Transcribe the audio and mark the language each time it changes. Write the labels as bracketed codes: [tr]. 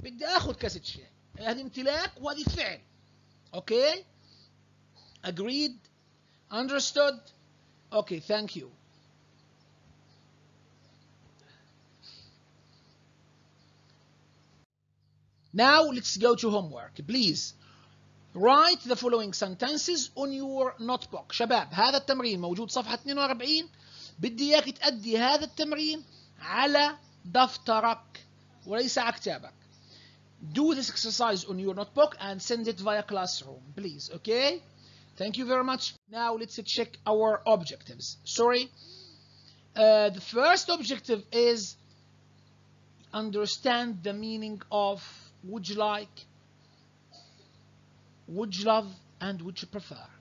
[ar] بدي أخذ كاسة شاي. هذه امتلاك وهذه فعل. [en] Okay? Agreed? Understood? Okay, thank you. Now, let's go to homework. Please, write the following sentences on your notebook. [ar] شباب, هذا التمرين موجود صفحة 42. بدي إياك تأدي هذا التمرين على دفترك وليس على كتابك. [en] Do this exercise on your notebook and send it via classroom, please, okay? Thank you very much. Now, let's check our objectives. Sorry. The first objective is understand the meaning of would you like, would you love, and would you prefer?